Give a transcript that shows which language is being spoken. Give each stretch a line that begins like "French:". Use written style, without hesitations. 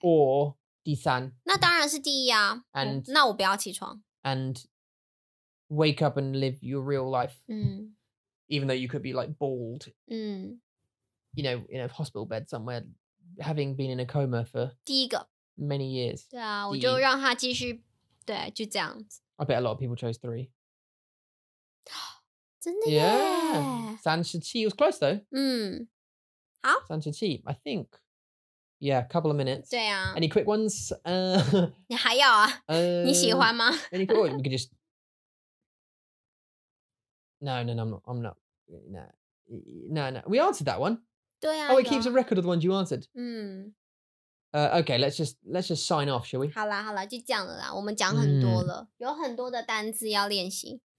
Chinese: Or 第三，那当然是第一啊。
English: And
Chinese: 那我不要起床。
English: And wake up and live your real life,、 mm. even though you could be like bald,、 mm. you know, in a hospital bed somewhere, having been in a coma for.
Chinese: 第一个。
English: Many years.
Chinese: 对啊，我就让他继续，对，就这样子。
English: I bet a lot of people chose three.
Chinese: 真的耶
English: ！Yeah,
Chinese: 三十七
English: was close though.
Chinese: 嗯，好。三十七
English: I think. Yeah, a couple of minutes.
Chinese: 对啊。
English: Any quick ones?
Chinese: 你还要啊？你喜欢吗？
English: Any quick ones? We could just. No, I'm not. No. We answered that one.
Chinese: 对啊。
English: Oh, it keeps a record of the ones you answered. 嗯。 Okay, let's just sign off, shall we?
Chinese: 好啦好啦，就这样了啦。我们讲很多了，有很多的单字要练习。